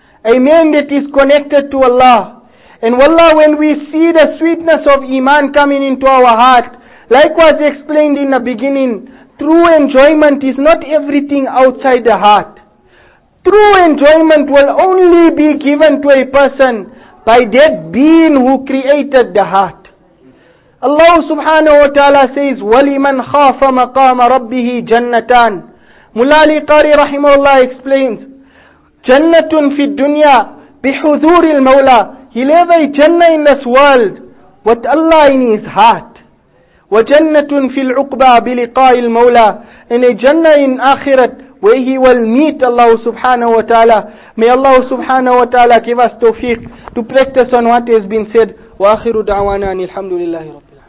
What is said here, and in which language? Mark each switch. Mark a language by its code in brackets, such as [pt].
[en] A man that is connected to Allah. And wallah, when we see the sweetness of Iman coming into our heart, like was explained in the beginning, true enjoyment is not everything outside the heart. True enjoyment will only be given to a person by that being who created the heart. Allah subhanahu wa ta'ala says, [ar] وَلِمَنْ خَافَ مَقَامَ رَبِّهِ جَنَّتَانِ. Mulali Qari rahimahullah explains, جَنَّةٌ فِي الدُّنْيَا بِحُذُورِ الْمَوْلَى. [en] He lives a Jannah in this world with Allah in his heart. [ar] وَجَنَّةٌ فِي الْعُقْبَى بِلِقَاءِ الْمَوْلَى. [en] In a Jannah in Akhirat where he will meet Allah subhanahu wa ta'ala. May Allah subhanahu wa ta'ala give us tawfiq to practice on what has been said. [ar] وَآخِرُ دَعْوَانَا أَنِ الْحَمْدُ لِلَّهِ رَبِّ